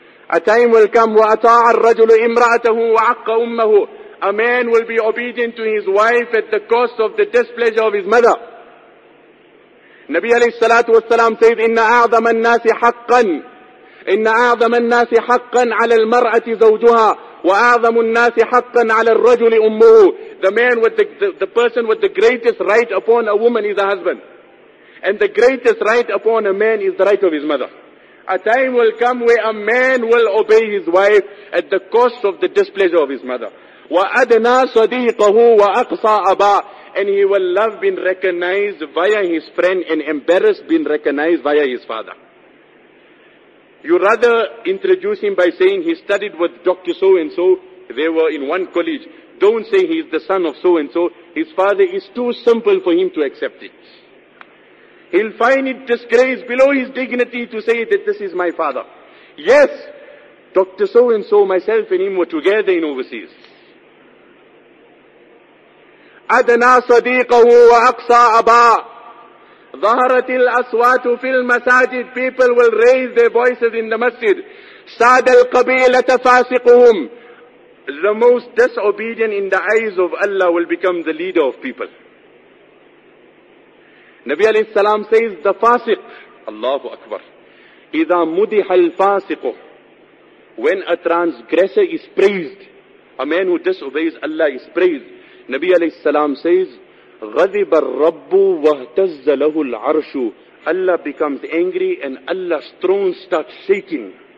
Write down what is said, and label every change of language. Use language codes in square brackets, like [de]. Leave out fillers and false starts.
[en] A time will come, [ar] وَأَطَاعَ الرَّجُلُ إِمْرَأَتَهُ وَعَقَّ أُمَّهُ. [en] A man will be obedient to his wife at the cost of the displeasure of his mother. [ar] Nabi alayhi salatu wassalam says, إِنَّ أَعْظَمَ النَّاسِ حَقًّا إِنَّ أَعْظَمَ النَّاسِ حَقًّا عَلَى الْمَرْأَةِ زَوْجُهَا وَأَعْظَمُ النَّاسِ حَقًّا عَلَى الرَّجُلِ أُمُّهُ. [en] The man with the person with the greatest right upon a woman is a husband. And the greatest right upon a man is the right of his mother. A time will come where a man will obey his wife at the cost of the displeasure of his mother. [ar] وَأَدْنَى صَدِيقَهُ وَأَقْصَى أَبَاهُ. [en] And he will love being recognized via his friend and embarrassed being recognized via his father. You rather introduce him by saying he studied with Dr. So and so, they were in one college. Don't say he is the son of so and so. His father is too simple for him to accept it. He'll find it disgrace below his dignity to say that this is my father. Yes, Dr. So and so, myself and him were together in overseas. [ar] أدنى صديقه وأقصى أباه. ظهرت الأصوات في المساجد. [en] People will raise their voices in the masjid. [ar] ساد القبيلة فاسقهم. [en] The most disobedient in the eyes of Allah will become the leader of people. Nabi alayhi salam says, the fasiq, Allahu Akbar, [ar] إذا مدح الفاسق. [en] When a transgressor is praised, a man who disobeys Allah is praised. Nabi alayhi salam says, [ar] غضب الرب واهتز له العرش. [en] Allah becomes angry and Allah's throne starts shaking.